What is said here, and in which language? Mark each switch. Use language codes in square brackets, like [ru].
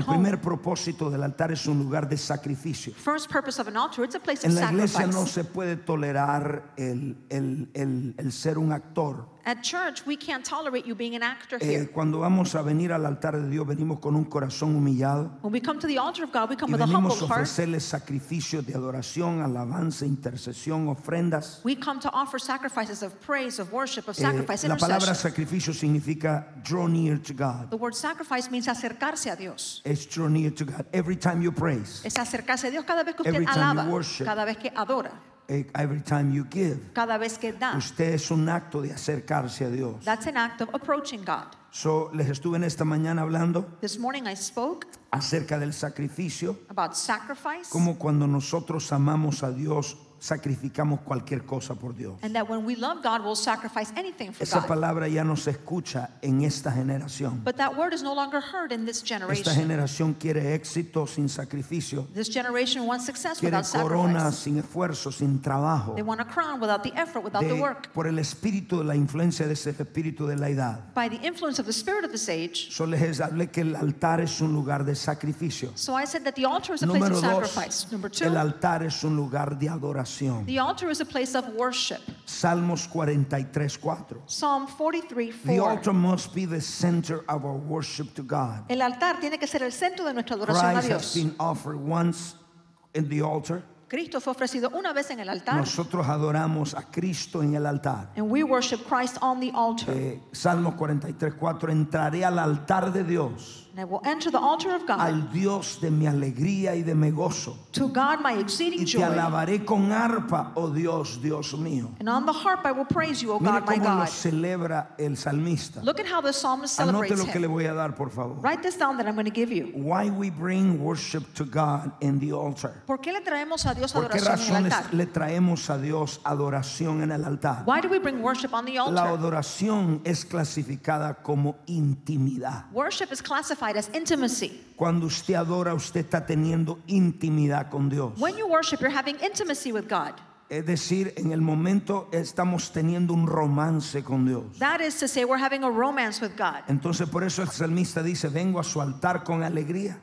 [es] home. El primer propósito del altar es un lugar de sacrificio. [en] First purpose of an altar, it's a place of sacrifice. [es] En la iglesia no se puede tolerar el ser un actor. [en] At church, we can't tolerate you being an actor here. [es] Cuando vamos a venir al altar de Dios, venimos con un corazón humillado. [en] When we come to the altar of God, we come [es] y [en] with a humble heart. [es] Venimos a ofrecerle sacrificios de adoración, alabanza, intercesión, ofrendas. [en] We come to offer sacrifices of praise, of worship, of sacrifice, intercession. [es] La palabra sacrificio significa [en] draw near to God. The word sacrifice means [es] acercarse a Dios. [en] It's draw near to God. Every time you praise. [es] Es acercarse a Dios cada vez que usted alaba. [en] Every time you worship. [es] Cada vez que adora. [en] Every time you give, [es] cada vez que da, usted es un acto de acercarse a Dios. [en] That's an act of approaching God. [es] So, les estuve en esta mañana hablando. [en] This morning I spoke [es] acerca del sacrificio. [en] About sacrifice. [es] Como cuando nosotros amamos a Dios, sacrificamos cualquier cosa por Dios. [en] And that when we love God, we'll sacrifice anything for God. [es] Esa palabra ya no se escucha en esta generación. [en] But that word is no longer heard in this generation. [es] Esta generación quiere éxito sin sacrificio. [en] This generation wants success [es] quiere [en] without sacrifice. [es] Quiere corona sin esfuerzo, sin trabajo. [en] They want a crown without the effort, without the work. [es] Por el espíritu de la influencia de ese espíritu de la edad. [en] By the influence of the spirit of this age. [es] So les hablé que el altar es un lugar de sacrificio. [en] So I said that the altar is a place of sacrifice. Number two. [es] El altar es un lugar de adoración. [en] The altar is a place of worship. [es] Salmos 43:4. [en] Psalm 43:4. The altar must be the center of our worship to God. [es] El altar tiene que ser el centro de nuestra adoración [en] Christ [es] a Dios. [en] Christ has been offered once in the altar. [es] Cristo fue ofrecido una vez en el altar. Nosotros adoramos a Cristo en el altar. [en] And we worship Christ on the altar. [es] Salmos 43:4. Entraré al altar de Dios. [en] And I will enter the altar of God. [es] Al Dios de mi alegría y de mi gozo. [en] To God my exceeding joy. [es] Y te alabaré con arpa, oh Dios, Dios mío. [en] And on the harp I will praise you, oh [es] Mire [en] God, my God. [es] Mira cómo lo celebra el salmista. [en] Look at how the psalmist celebrates. [es] Anote lo [en] him. [es] Que le voy a dar, por favor. [en] Write this down that I'm going to give you. Why we bring worship to God in the altar. [es] ¿Por qué le traemos a Dios adoración ¿Por qué razones en el altar? Le traemos a Dios adoración en el altar? [en] Why do we bring worship on the altar? [es] La adoración es clasificada como intimidad. [en] Worship is classified as intimacy. [es] Cuando usted adora, usted está teniendo intimidad con Dios. [en] When you worship, you're having intimacy with God. [es] Es decir, en el momento estamos teniendo un romance con Dios. [en] That is to say, we're having a romance with God. [es] Entonces, por eso el salmista dice, vengo a su altar con alegría.